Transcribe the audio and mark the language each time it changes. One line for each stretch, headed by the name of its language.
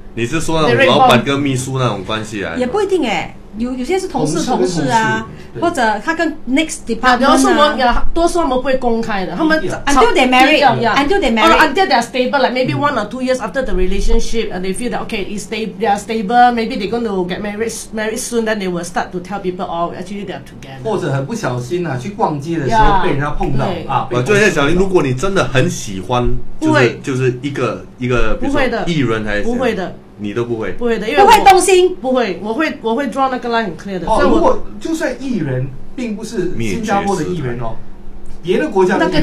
Chinese: 你是说那种老板跟秘书那种关系啊也不一定哎、有些是同事啊同事或者他跟
English: next department
Chinese: 然后是我多数他们不会公开的他们
English: until they marry until they marry until they are stable like maybe one or two years after the relationship they feel that okay it's stable they are stable maybe they going to get married soon then they will start to tell people oh actually they are together
Chinese: 或者很不小心啊去逛街的时候被人家碰到啊就像小林如果你真的很喜欢就是一个不会的艺人还是不会的你都不会，不会的，因为不会动心，不会，我会 draw 那个 line 很 clear 的。哦，如果就算艺人，并不是新加坡的艺人哦，别的国家的艺人